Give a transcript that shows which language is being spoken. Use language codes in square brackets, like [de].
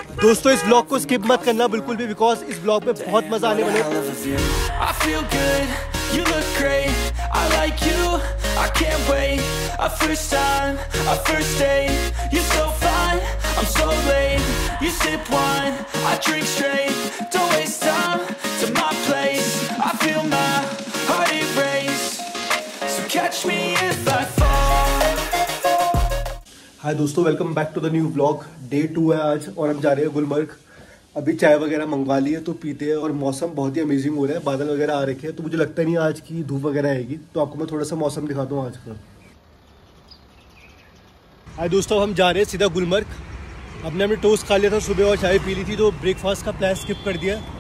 [hi] दोस्तों इस ब्लॉग को स्किप मत करना बिल्कुल भी, बिकॉज इस ब्लॉग में बहुत मजा आने वाला है। [en] You look great, I like you, I can't wait. A first time, a first date. You're so fine, I'm so late. You sip wine, I drink straight. Don't waste time, to my place. I feel my heart erase. So catch me if I fall. Hi दोस्तों, welcome back to the new vlog. [hi] Day 2 है आज और हम जा रहे हैं गुलमर्ग। अभी चाय वगैरह मंगवा ली है तो पीते हैं और मौसम बहुत ही अमेजिंग हो रहा है, बादल वगैरह आ रखे हैं तो मुझे लगता नहीं आज की धूप वगैरह आएगी, तो आपको मैं थोड़ा सा मौसम दिखाता हूँ आज का। हाय दोस्तों, हम जा रहे हैं सीधा गुलमर्ग। हमने अपने टोस्ट खा लिया था सुबह और चाय पी ली थी, तो ब्रेकफास्ट का प्लान स्किप कर दिया।